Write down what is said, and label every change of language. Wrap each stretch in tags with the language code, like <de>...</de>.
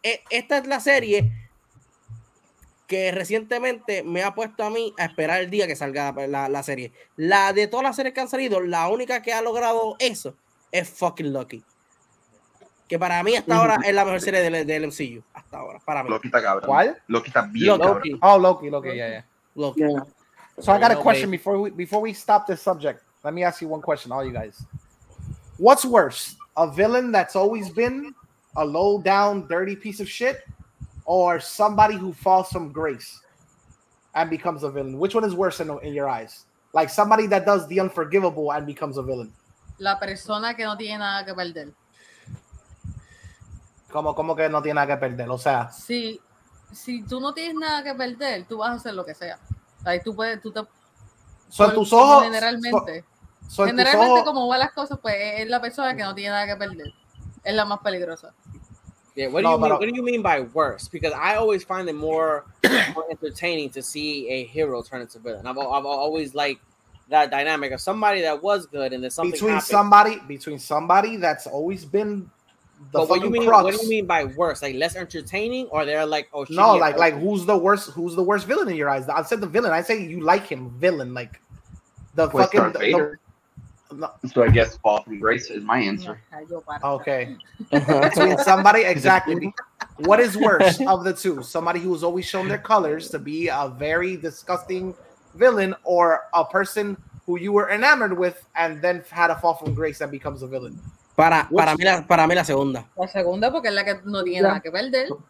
<es>Esta es la serie que recientemente me ha puesto a mí a esperar el día que salga la serie. La de todas las series que han salido, la única que ha logrado eso es fucking Loki, que para mí hasta ahora es la mejor serie del MCU hasta ahora, para mí. Loki está cabrón. ¿Cuál? Loki está bien cabrón.</es> <en>Oh, Loki. Yeah. Loki. So I got a question before we stop this subject. Let me ask you one question, all you guys. What's worse, a villain that's always been a low down dirty piece of shit, or somebody who falls from grace and becomes a villain? Which one is worse in your eyes? Like somebody that does the unforgivable and becomes a villain.</en> <es>La persona que no tiene nada que perder. ¿Cómo que no tiene nada que perder? O sea, si tú no tienes nada que perder, tú vas a hacer lo que sea. Ahí tú puedes, tú te... Generalmente, como van las cosas, pues es la persona que no tiene nada que perder. Es la más peligrosa.</es> <en>Yeah, what do what do you mean by worse? Because I always find it more entertaining to see a hero turn into a villain. I've always liked that dynamic of somebody that was good and then something between somebody that's always been the fucking crux. What do you mean by worse? Like less entertaining, or they're like, oh shit, no, like who's the worst villain in your eyes? I said the villain. I say you like him, villain, like the Boy, fucking Darth Vader. So I guess fall from grace is my answer. Okay. Between somebody, exactly. What is worse of the two? Somebody who has always shown their colors to be a very disgusting villain, or a person who you were enamored with and then had a fall from grace that becomes a villain?</en> <es>Para mí la segunda. La segunda, porque es la que no tiene nada que perder.</es>